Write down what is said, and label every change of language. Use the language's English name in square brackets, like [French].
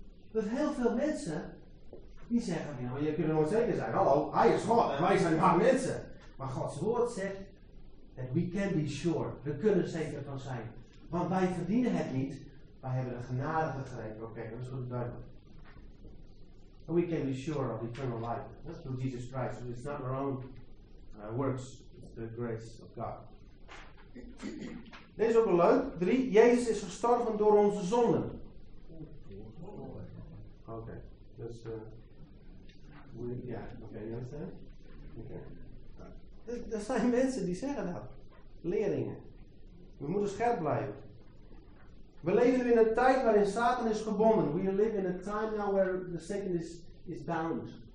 [Dutch] Dat heel veel mensen die zeggen van, ja, je kunt er nooit zeker zijn. Hallo, hij is God en wij zijn maar mensen. Maar Gods woord zegt [English] that we can be sure. [Dutch] We kunnen zeker van zijn. Want wij verdienen het niet. Wij hebben de genade gekregen. Oké, dat is goed duidelijk. [English] We can be sure of eternal life. That's through Jesus Christ. It's not our own works. It's the grace of God. [Dutch] Deze is ook wel leuk. [English] 3. [Dutch] Jezus is gestorven door onze zonden. Oké. Dus, ja. Oké, [English] you understand? [Dutch] Oké. Er zijn mensen die zeggen dat. Leerlingen. We moeten scherp blijven. We leven nu in een tijd waarin Satan is gebonden. [English] We live in a time now where the Satan is bound.